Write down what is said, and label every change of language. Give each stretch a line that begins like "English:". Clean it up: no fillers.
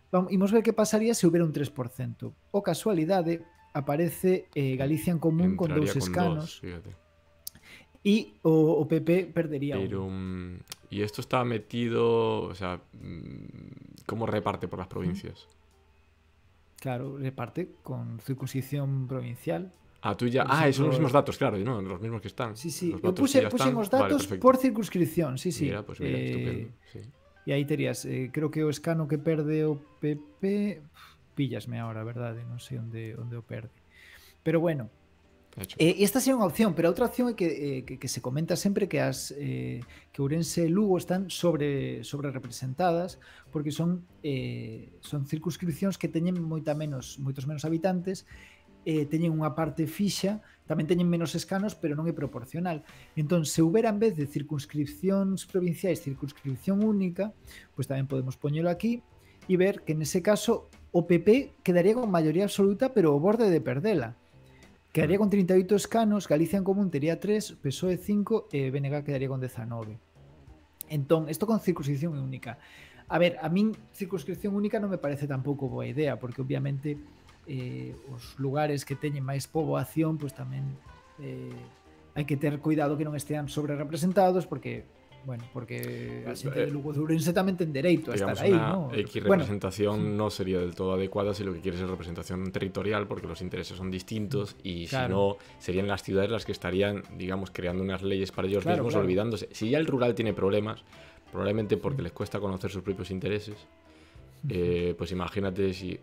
Galician: Imos ver que pasaría se hubiera un 3%. O casualidade aparece Galicia en Común. Entraría con dous escanos e o PP perdería
Spanish: pero, y esto está metido, o sea, ¿cómo reparte por las provincias? Claro, reparte con circunscripción provincial. Ah, tú ya. Por ejemplo, son los mismos datos, claro, ¿no? Los mismos que están. Sí, sí. Yo puse los datos, vale, por circunscripción, sí, sí. Mira, pues mira, estupendo. Sí.
Galician: Y ahí terías, creo que o escano que perde o PP. Píllasme
Spanish: ahora, ¿verdad? No sé dónde
Galician: o perde.
Spanish: Pero bueno.
Galician: Esta sería unha opción, pero outra opción é que se comenta sempre que as que Ourense e Lugo están sobre representadas porque son circunscripcións que teñen moitos menos habitantes, teñen unha parte fixa, tamén teñen menos escanos, pero non é proporcional. Entón, se houbera en vez de circunscripcións provinciais, circunscripción única, pues tamén podemos poñelo aquí e ver que nese caso o PP quedaría con maioría absoluta, pero ao borde de perdela. Quedaría con 38 escanos, Galicia en Común tería 3, PSOE 5, BNG quedaría con 19. Entón, isto con circunscripción única. A ver, a min circunscripción única non me parece tampouco boa idea, porque obviamente os lugares que teñen máis poboación, pues tamén hai que ter cuidado que non estean sobre representados, porque Bueno, porque a xente de Lugo durense tamén ten dereito a estar aí, ¿no?
Spanish: Equis representación non sería del todo adecuada se lo que quieres es representación territorial, porque los intereses son distintos y claro. Si no, serían las ciudades las que estarían, digamos, creando unas leyes para ellos mismos, claro. Olvidándose. Si ya el rural tiene problemas, probablemente porque les cuesta conocer sus propios intereses, pues imagínate si...